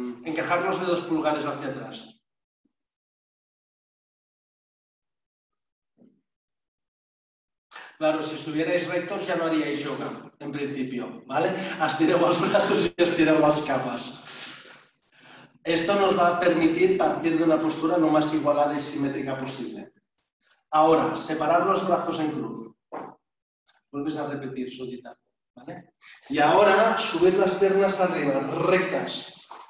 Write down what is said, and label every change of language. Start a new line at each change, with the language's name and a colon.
Spanish: Encajar los dedos pulgares hacia atrás. Claro, si estuvierais rectos ya no haríais yoga, en principio, ¿vale?
Catalan: Estireu els braços y estireu las capas.
Spanish: Esto nos va a permitir partir de una postura lo más igualada y simétrica posible. Ahora, separar los brazos en cruz. Vuelves a repetir, Sudita, ¿vale? Y ahora, subir las piernas arriba, rectas.